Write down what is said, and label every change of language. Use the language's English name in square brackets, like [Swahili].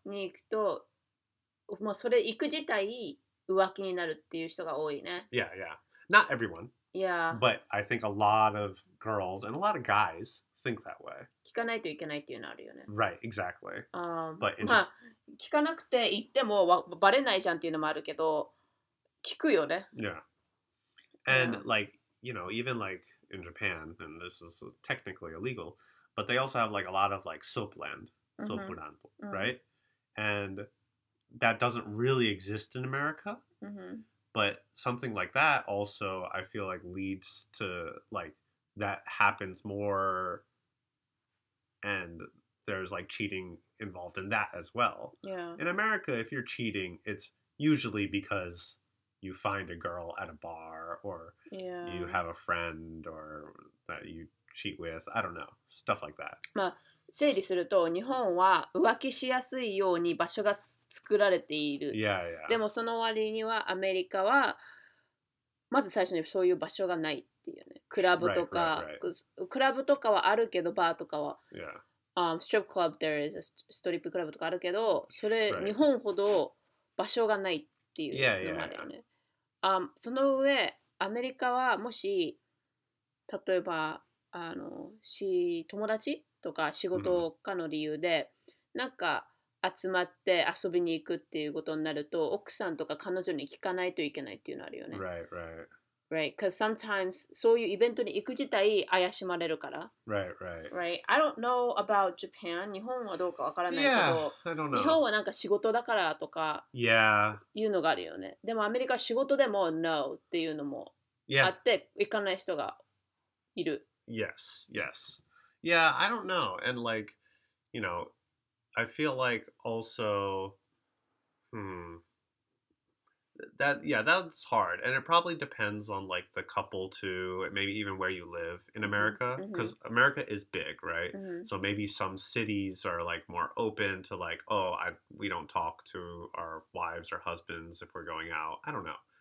[Japanese] に行くと、もうそれ行く自体浮気になるっていう人が多いね。 [English] Yeah, yeah. Not everyone. Yeah. But I think a lot of girls and a lot of guys think that way. [Japanese] 聞かないといけないっていうのあるよね。 [English] Right, exactly. But in Japan... [Japanese] 聞かなくて言ってもバレないじゃんっていうのもあるけど、聞くよね。 [English] Yeah. And yeah. like, you know, even like in Japan, and this is technically illegal, but they also have like a lot of like soap land, soapuran, right? And that doesn't really exist in America. But something like that also, I feel like, leads to like that happens more and there's like cheating... involved in that as well. Yeah. In America, if you're cheating, it's usually because you find a girl at a bar or yeah. you have a friend or that you cheat with. I don't know. Stuff like that. [Japanese] まあ、整理すると、日本は浮気しやすいように場所が作られている。 [English] Yeah, yeah. [Japanese] でもその割にはアメリカはまず最初にそういう場所がないっていうね。クラブとか、クラブとかはあるけどバーとかは。 [English] Yeah. Strip club, there is a strip club [Japanese] とかあるけど、それ日本ほど場所がないっていうのもあるよね。 [English] Yeah, yeah, yeah. [Japanese] その上、アメリカはもし、例えば、友達とか仕事かの理由で、なんか集まって遊びに行くっていうことになると、奥さんとか彼女に聞かないといけないっていうのあるよね。 [English] Right, right. Right, because sometimes, [Japanese] そういうイベントに行く自体怪しまれるから。 [English] Right, right. Right, I don't know about Japan. [Japanese] 日本はどうかわからないけど。 [English] Yeah, I don't know. [Japanese] 日本はなんか仕事だからとか。 [English] Yeah. [Japanese] いうのがあるよね。でもアメリカは仕事でも No っていうのもあって、行かない人がいる。 [English] Yes, yes. Yeah, I don't know. And like, you know, I feel like also, That, yeah, that's hard. And it probably depends on, like, the couple, too. Maybe even where you live in America. Because America is big, right? So maybe some cities are, like, more open to, like, oh, we don't talk to our wives or husbands if we're going out. I don't know.